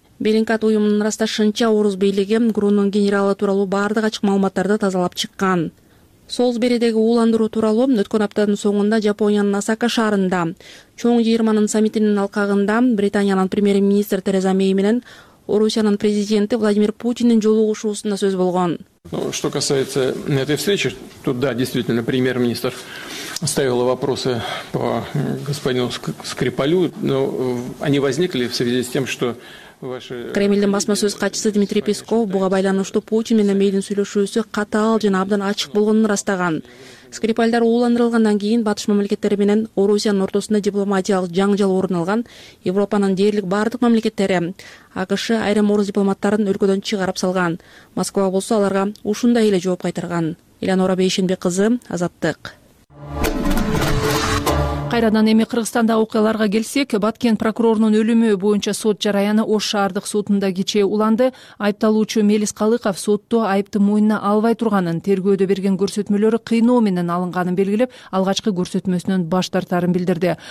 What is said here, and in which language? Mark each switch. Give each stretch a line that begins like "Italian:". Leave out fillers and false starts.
Kyrgyz: Белинкат уюмунун ырасташынча орус бийлиги ГРУнун генералы тууралуу баардык ачык маалыматтарды тазалап чыккан. Солсберидеги уландыруу тууралуу өткөн аптанын соңунда Жапониянын Осака шаарында чоң жыйырманын саммитинин алкагында Британиянын премьер-министри Тереза Мей менен Орусиянын президенти Владимир Путиндин жолугушуусунда сөз болгон.
Russian: Что касается этой встречи, то да, действительно, премьер-министр ставил вопросы по господину Скрипалю, но они возникли в связи с тем, что
Kyrgyz: Кремльдин басмасөз катчысы Дмитрий Песков буга байланыштуу Путин менен Мейдин сүйлөшүүсү катаал жана абдан ачык болгонун ырастаган. Скрипальдар ууландырылгандан кийин батыш мамлекеттери менен Орусиянын ортосунда дипломатиялык жаңжал орун алган. Европанын дээрлик бардык мамлекеттери АКШ айрым орус дипломаттарын өлкөдөн чыгарып салган. Москва болсо аларга ушундай эле жооп кайтарган. Эленора Бейшенби кызы, Азаттык. Кайрадан эми Кыргызстанда окуяларга келсек, Баткен прокурорунун өлүмү боюнча сот жараяны Ош шаардык сотунда кечээ уланды. Айыпталуучу Мелис Калыков сотто айыпты мойнуна албай турганын, тергөөдө берген көрсөтмөлөрү кыйноо менен алынганын белгилеп, алгачкы көрсөтмөсүнөн баш тартарын билдирди.